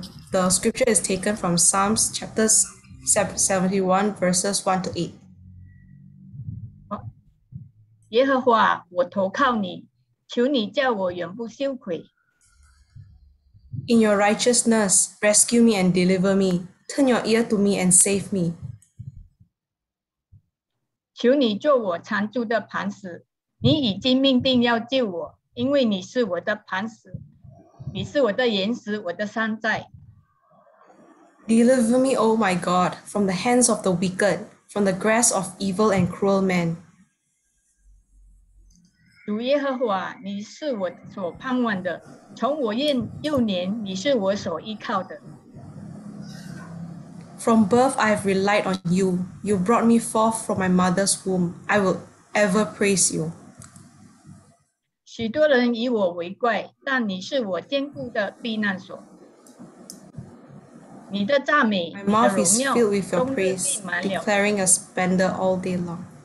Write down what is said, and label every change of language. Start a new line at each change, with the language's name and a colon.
English: The scripture is taken from Psalms chapter 71, verses 1-8.
Chinese: 耶和华，我投靠你，求你叫我永不羞愧。
English: In your righteousness, rescue me and deliver me. Turn your ear to me and save me.
Chinese: 求你做我常住的磐石，你已经命定要救我，因为你是我的磐石，你是我的岩石，我的山寨。
English: Deliver me, O my God, from the hands of the wicked, from the grasp of evil and cruel men.
Chinese: 主耶和华，你是我所盼望的，从我幼年，你是我所依靠的。
English: From birth I have relied on you. You brought me forth from my mother's womb. I will ever praise you.
Chinese: 许多人以我为怪，但你是我坚固的避难所。你的赞美，你的荣耀，
English: My mouth is filled with your praise, declaring your splendor all day long.